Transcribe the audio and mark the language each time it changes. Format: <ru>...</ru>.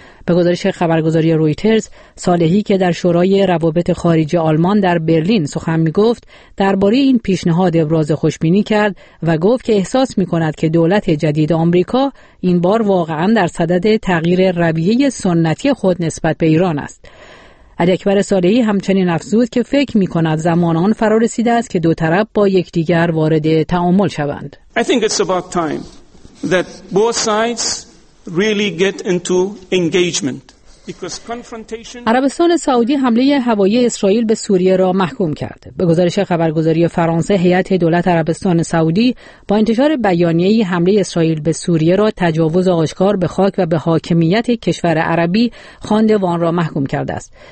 <fa>به گزارش خبرگزاری رویترز، صالحی که در شورای روابط خارجی آلمان در برلین سخن می‌گفت، درباره این پیشنهاد ابراز خوشبینی کرد و گفت که احساس می‌کند که دولت جدید آمریکا این بار واقعاً در صدد تغییر رویه سنتی خود نسبت به ایران است. علی اکبر صالحی همچنین افزود که فکر می‌کند زمان آن فرا رسیده است که دو طرف با یکدیگر وارد تعامل شوند.</fa> <en>I think it's about time that both sides really get into engagement because confrontation.</en> <fa>عربستان سعودی حمله هوایی اسرائیل به سوریه را محکوم کرد. به گزارش خبرگزاری فرانسه، هیئت دولت عربستان سعودی با انتشار بیانیه‌ای حمله اسرائیل به سوریه را تجاوز آشکار به خاک و به حاکمیت کشور عربی خوانده و آن را محکوم کرده است.</fa>